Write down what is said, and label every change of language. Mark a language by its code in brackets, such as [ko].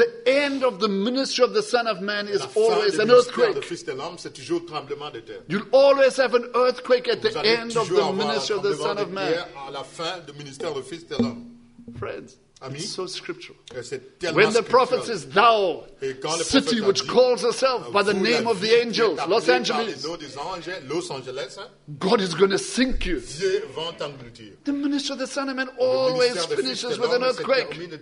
[en] So the end of the ministry of the Son of Man is always an earthquake. [fr] La fin du ministère de l'homme, c'est toujours un tremblement de terre. [en] You'll always have an earthquake at [fr] Vous [en] the end of the ministry of the Son of Man. [fr] À la fin du ministère du Fils de l'homme. [en] Friends. It's so scriptural. When the prophet says, thou, city which calls herself by the name of the angels, Los Angeles, God is going to sink you. The minister of the Son of Man always finishes with an earthquake.